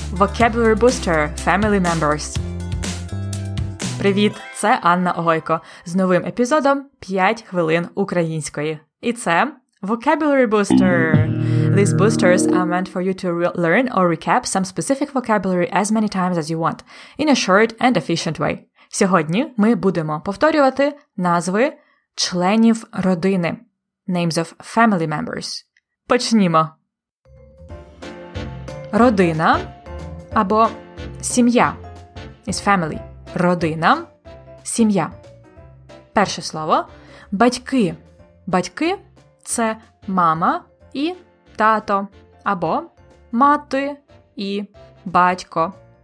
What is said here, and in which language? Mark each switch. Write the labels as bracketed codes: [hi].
[en] Vocabulary Booster – Family Members. [uk] Привіт, це Анна Огойко з новим епізодом «5 хвилин української». І це Vocabulary Booster. [en] These boosters are meant for you to learn or recap some specific vocabulary as many times as you want, in a short and efficient way. [uk] Сьогодні ми будемо повторювати назви членів родини. [en] Names of family members. [uk] Почнімо. Родина або сім'я [en] is family. [uk] Родина, сім'я. Перше слово – батьки. Батьки – це мама і тато, або мати і батько.